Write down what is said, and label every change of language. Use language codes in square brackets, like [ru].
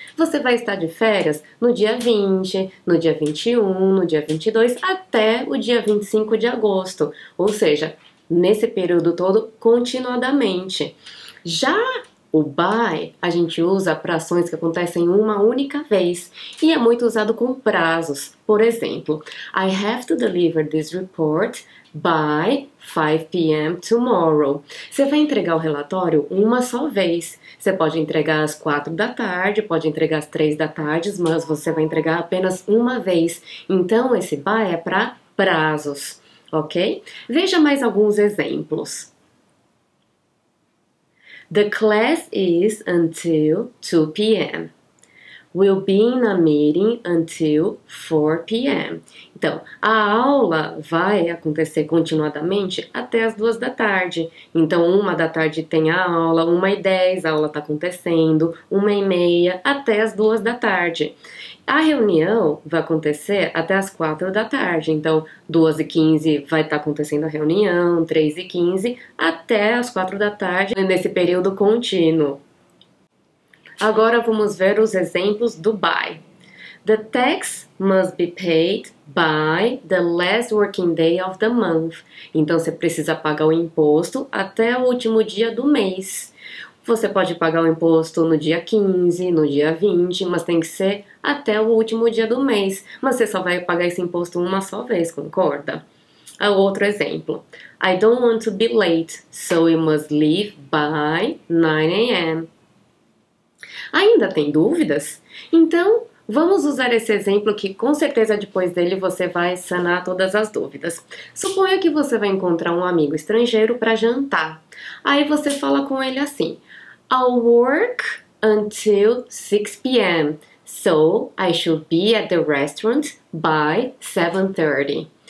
[pt] Você vai estar de férias no dia 20, no dia 21, no dia 22, até o dia 25 de agosto. Ou seja, nesse período todo, continuadamente. Já o by, a gente usa para ações que acontecem uma única vez. E é muito usado com prazos. Por exemplo, [en] I have to deliver this report by 5 p.m. tomorrow. [pt] Você vai entregar o relatório uma só vez. Você pode entregar às 4 da tarde, pode entregar às 3 da tarde, mas você vai entregar apenas uma vez. Então, esse by é para prazos, ok? Veja mais alguns exemplos. [en] The class is until 2 p.m. We'll be in a meeting until 4 p.m. [pt] Então, a aula vai acontecer continuadamente até as 2 da tarde. Então, 1 da tarde tem a aula, 1h10 a aula está acontecendo, 1h30 até as 2 da tarde. A reunião vai acontecer até as 4 da tarde. Então, 2h15 vai estar acontecendo a reunião, 3h15 até as 4 da tarde, nesse período contínuo. Agora vamos ver os exemplos do by. [en] The tax must be paid by the last working day of the month. [pt] Então você precisa pagar o imposto até o último dia do mês. Você pode pagar o imposto no dia 15, no dia 20, mas tem que ser até o último dia do mês. Mas você só vai pagar esse imposto uma só vez, concorda? Outro exemplo. [en] I don't want to be late, so you must leave by 9 a.m. [pt] Ainda tem dúvidas? Então, vamos usar esse exemplo que com certeza depois dele você vai sanar todas as dúvidas. Suponha que você vai encontrar um amigo estrangeiro para jantar. Aí você fala com ele assim: [en] I'll work until 6 p.m., so I should be at the restaurant by 7:30.